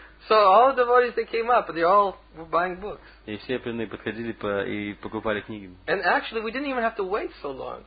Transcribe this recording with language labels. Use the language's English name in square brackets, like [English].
[English] So all the devotees that came up, they all were buying books. [Russian] И все преданные подходили и покупали книги. [English] And actually, we didn't even have to wait so long.